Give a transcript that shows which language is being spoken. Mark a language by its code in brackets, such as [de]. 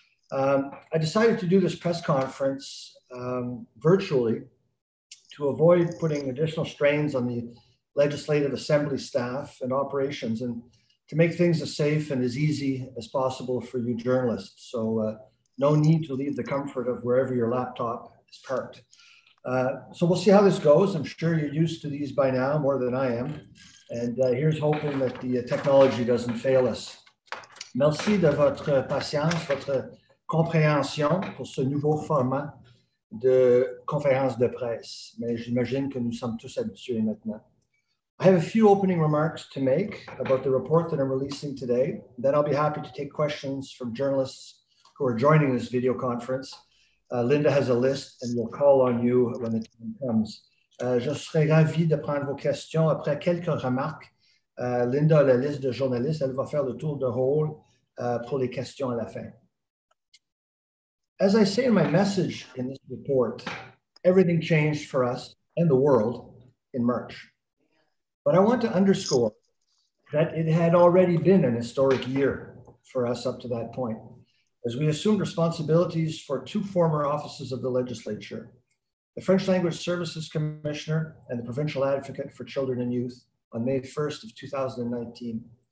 [en] I decided to do this press conference virtually to avoid putting additional strains on the Legislative Assembly staff and operations, and to make things as safe and as easy as possible for you journalists. So no need to leave the comfort of wherever your laptop is parked. So we'll see how this goes. I'm sure you're used to these by now more than I am. And here's hoping that the technology doesn't fail us. [fr] Merci de votre patience, votre compréhension pour ce nouveau format de conférence de presse. Mais j'imagine que nous sommes tous habitués maintenant. [en] I have a few opening remarks to make about the report that I'm releasing today. Then I'll be happy to take questions from journalists who are joining this video conference. Linda has a list and we'll call on you when the time comes. [fr] Je serai ravi de prendre vos questions. Après quelques remarques, Linda a la liste de journalistes. Elle va faire le tour de rôle pour les questions à la fin. [en] As I say in my message in this report, everything changed for us and the world in March. But I want to underscore that it had already been an historic year for us up to that point, as we assumed responsibilities for two former offices of the legislature, the French Language Services Commissioner and the Provincial Advocate for Children and Youth on May 1st of 2019.